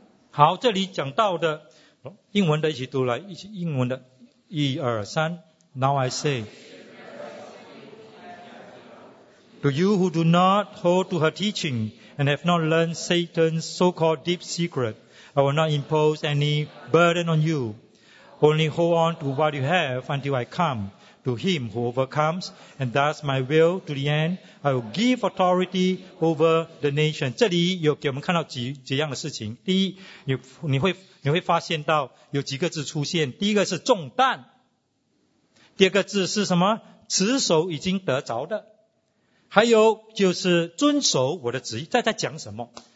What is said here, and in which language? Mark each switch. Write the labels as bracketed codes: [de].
[zh] 好，这里讲到的英文的一起读来，一起英文的，一二三。 [en] Now I say to you who do not hold to her teaching and have not learned Satan's so-called deep secret, I will not impose any burden on you. Only hold on to what you have until I come. to him who overcomes and does my will to the end, I will give authority over the nation. [zh] 这里有给我们看到 几样的事情。第一，你会发现到有几个字出现。第一个是重担。第二个字是什么？持守已经得着的。还有就是遵守我的旨意。在讲什么？